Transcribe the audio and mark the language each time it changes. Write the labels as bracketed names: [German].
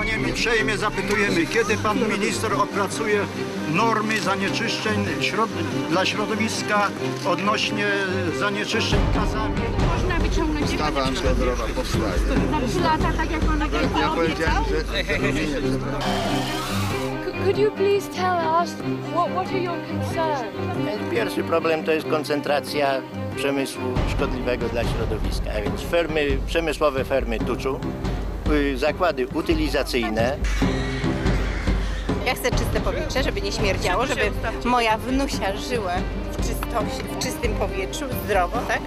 [Polish] uprzejmie zapytujemy, kiedy pan minister opracuje normy zanieczyszczeń dla środowiska odnośnie zanieczyszczeń gazami. Można wyciągnąć... Ustawa antyodorowa powstaje. Na 3 lata, tak jak ona kiedyś ja powiedziałem, że... [English] Could you please tell us what are your concerns? [Polish] Pierwszy problem to jest koncentracja przemysłu szkodliwego dla środowiska, a więc fermy, przemysłowe fermy tuczu, zakłady utylizacyjne. Ja chcę czyste powietrze, żeby nie śmierdziało, żeby moja wnusia żyła w czystym powietrzu, zdrowo, tak?